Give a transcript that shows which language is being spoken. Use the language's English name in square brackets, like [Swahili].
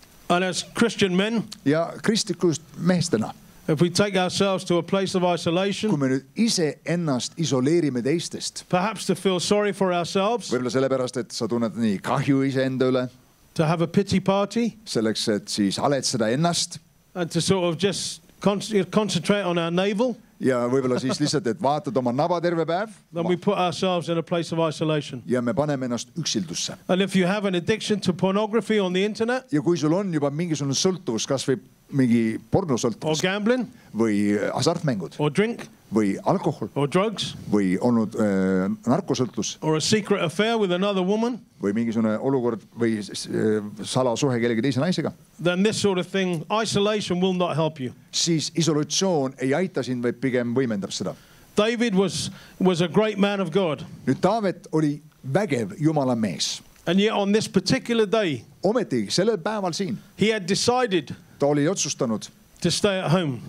[English] And as Christian men, [Estonian] ja kristikust mehestena, [English] if we take ourselves to a place of isolation, [Estonian] kui me nüüd ise ennast isoleerime teistest, [English] perhaps to feel sorry for ourselves, [Estonian] võibolla sellepärast, et sa tunned nii kahju ise enda üle, [English] to have a pity party, [Estonian] selleks, et siis aletseda ennast, [English] and to sort of just concentrate on our navel. [Estonian] Ja võibolla siis lihtsalt, et vaatad oma naba terve päev. [English] Then we put ourselves in a place of isolation. [Estonian] Ja me paneme ennast üksildusse. [English] And if you have an addiction to pornography on the internet, [Estonian] ja kui sul on juba mingisugune sõltuvus, kas või mingi pornosõltuvus, [English] or gambling, [Estonian] või hasartmängud, [English] or drink, [Estonian] või alkohol, [English] or drugs, [Estonian] või olnud narkosõltus, [English] or a secret affair with another woman, [Estonian] või mingisugune olukord või salasuhe kellegi teise naisega, [English] then this sort of thing, isolation will not help you. [Estonian] Siis isolatsioon ei aita sind, vaid pigem võimendab seda. [English] David was a great man of God. [Estonian] Nüüd David oli vägev Jumala mees. [English] And yet on this particular day, [Estonian] ometi sellel päeval siin, [English] he had decided, [Estonian] ta oli otsustanud, [English] to stay at home,